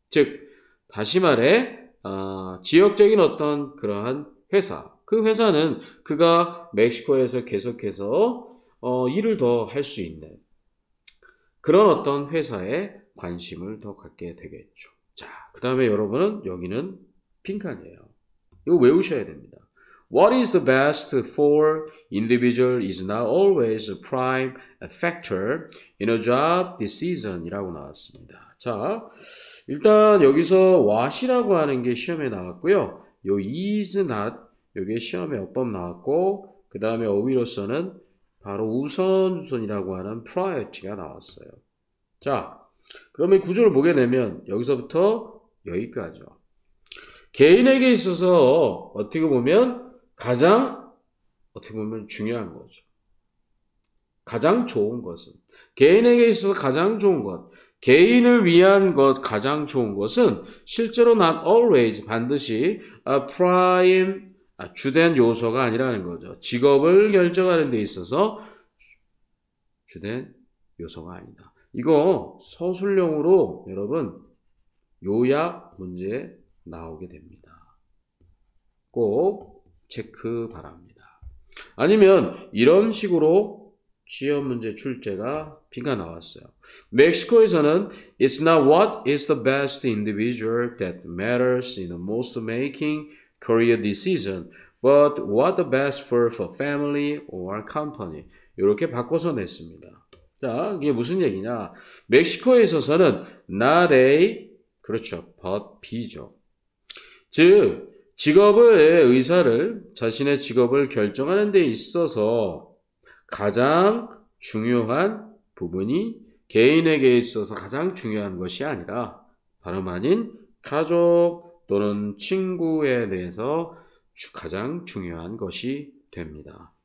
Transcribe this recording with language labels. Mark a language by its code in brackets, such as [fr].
[ko] 즉, 다시 말해, 지역적인 어떤 그러한 회사. 그 회사는 그가 멕시코에서 계속해서 일을 더할수 있는 그런 어떤 회사에 관심을 더 갖게 되겠죠. 자, 그 다음에 여러분은 여기는 빈칸이에요. 이거 외우셔야 됩니다. [en] What is the best for individual is not always a prime factor in a job decision [ko] 이라고 나왔습니다. 자, 일단 여기서 what이라고 하는 게 시험에 나왔고요. 요 is not, 요게 시험에 어법 나왔고, 그 다음에 어휘로서는 바로 우선순위라고 하는 priority가 나왔어요. 자, 그러면 구조를 보게 되면 여기서부터 여기까지요. 개인에게 있어서 어떻게 보면 가장, 어떻게 보면 중요한 거죠. 가장 좋은 것은, 개인에게 있어서 가장 좋은 것, 개인을 위한 것, 가장 좋은 것은, 실제로 not always, 반드시, a prime, 주된 요소가 아니라는 거죠. 직업을 결정하는 데 있어서, 주된 요소가 아니다. 이거, 서술형으로, 여러분, 요약 문제 나오게 됩니다. 꼭, 체크 바랍니다. 아니면 이런 식으로 시험 문제 출제가 빈가 나왔어요. 멕시코에서는 [en] It's not what is the best individual that matters in the most making career decision, but what the best for family or company. [ko] 이렇게 바꿔서 냈습니다. 자, 이게 무슨 얘기냐? 멕시코에서는 not a, 그렇죠, but b죠. 즉 직업의 의사를, 자신의 직업을 결정하는 데 있어서 가장 중요한 부분이 개인에게 있어서 가장 중요한 것이 아니라 다름 아닌 가족 또는 친구에 대해서 가장 중요한 것이 됩니다.